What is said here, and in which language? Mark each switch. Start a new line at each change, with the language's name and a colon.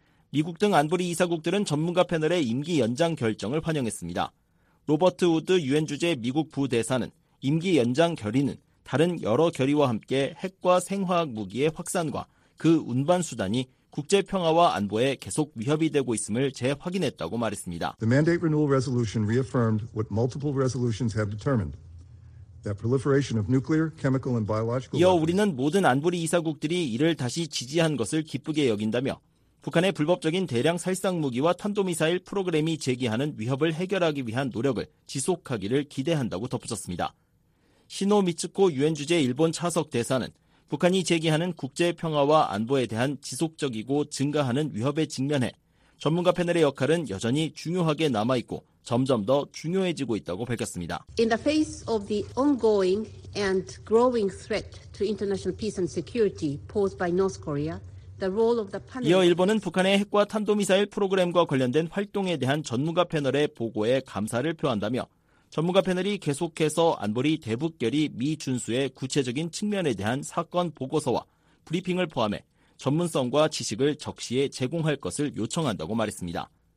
Korean: 미국 등 안보리 이사국들은 전문가 패널의 임기 연장 결정을 환영했습니다. 로버트 우드 유엔 주재 미국 부대사는 임기 연장 결의는 다른 여러 결의와 함께 핵과 생화학 무기의 확산과 그 운반 수단이 국제 평화와 안보에 계속 위협이 되고 있음을 재확인했다고 말했습니다.
English: The mandate renewal resolution reaffirmed what multiple resolutions have determined. That proliferation of nuclear, chemical and biological.
Korean: 이어 우리는 모든 안보리 이사국들이 이를 다시 지지한 것을 기쁘게 여긴다며 북한의 불법적인 대량 살상 무기와 탄도미사일 프로그램이 제기하는 위협을 해결하기 위한 노력을 지속하기를 기대한다고 덧붙였습니다. 시노 미츠코 유엔 주재 일본 차석 대사는 북한이 제기하는 국제 평화와 안보에 대한 지속적이고 증가하는 위협에 직면해 전문가 패널의 역할은 여전히 중요하게 남아 있고 점점 더 중요해지고 있다고 밝혔습니다.
English: In the face of the ongoing and growing threat to international peace and security posed by North Korea, the role of the panel.
Korean: 이어 일본은 북한의 핵과 탄도 미사일 프로그램과 관련된 활동에 대한 전문가 패널의 보고에 감사를 표한다며 전문가 패널이 계속해서 안보리 대북결의 미준수의 구체적인 측면에 대한 사건 보고서와 브리핑을 포함해 전문성과 지식을 적시에 제공할 것을 요청한다고 말했습니다.